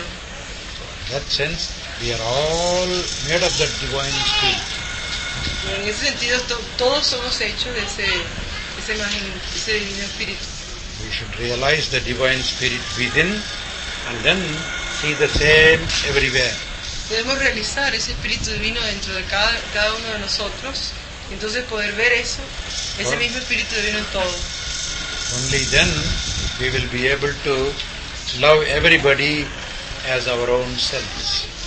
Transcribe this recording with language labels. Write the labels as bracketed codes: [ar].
[en] In that sense, we are all made of that divine spirit. [es] En ese sentido, todos somos hechos de ese imagen, ese divino espíritu. [en] We should realize the divine spirit within, and then see the same everywhere. [es] Debemos realizar ese espíritu divino dentro de cada uno de nosotros. Entonces poder ver eso, ese mismo espíritu divino en todo. [en] Only then we will be able to love everybody as our own selves.